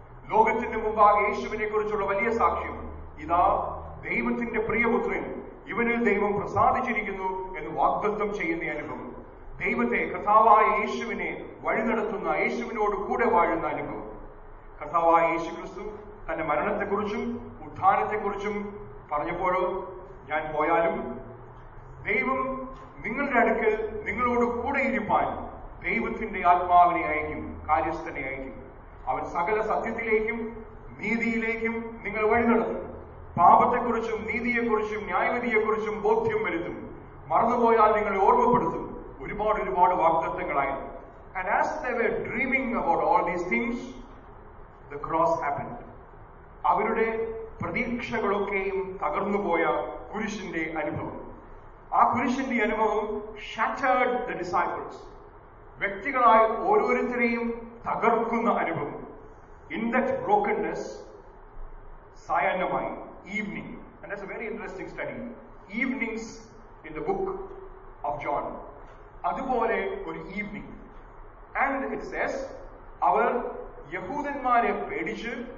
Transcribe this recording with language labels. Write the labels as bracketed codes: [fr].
[ml] ലോകത്തിന്റെ മുമ്പാകെ യേശുവിനെ കുറിച്ചുള്ള വലിയ സാക്ഷ്യം ഇതാ ദൈവത്തിന്റെ പ്രിയപുത്രൻ ഇവനിൽ ദൈവം പ്രസാദിച്ചിരിക്കുന്നു എന്ന് വാഗ്ദത്തം ചെയ്യുന്ന അനുഭവം, ദൈവത്തെ കർത്താവായ യേശുവിനെ വഴി നടത്തുന്ന യേശുവിനോട് കൂടെ വാഴുന്ന അനുഭവം, കർത്താവായ യേശുക്രിസ്തു തന്റെ മരണത്തെക്കുറിച്ചും ഉദ്ധാനത്തെക്കുറിച്ചും പറഞ്ഞപ്പോഴോ ഞാൻ പോയാലും ദൈവം നിങ്ങളുടെ അടുക്കൽ നിങ്ങളോട് കൂടെ ഇരിപ്പാൻ ദൈവത്തിന്റെ ആത്മാവിനെ അയക്കും, കാര്യസ്ഥനെ അയക്കും. അവൻ സകല സത്യത്തിലേക്കും നീതിയിലേക്കും നിങ്ങൾ വഴി നടത്തും. പാപത്തെക്കുറിച്ചും നീതിയെക്കുറിച്ചും ന്യായവിധിയെക്കുറിച്ചും ബോധ്യം വരുത്തും. മറന്നുപോയാൽ നിങ്ങളെ ഓർമ്മപ്പെടുത്തും. ഒരുപാട് ഒരുപാട് വാഗ്ദത്തങ്ങളായിരുന്നു. [en] And as they were dreaming about all these things, the cross happened. [ml] അവരുടെ പ്രതീക്ഷകളൊക്കെയും തകർന്നുപോയ കുരിശിന്റെ അനുഭവം. ആ കുരിശിന്റെ അനുഭവം [en] shattered the disciples. [ml] വ്യക്തികളായ ഓരോരുത്തരെയും തകർക്കുന്ന അനുഭവം. [en] In that brokenness, [ml] സായാഹ്നമായി [en] evening, and that's a very interesting study, evenings in the book of John, adupole or evening, and it says our [ml] yahudanmare pedichu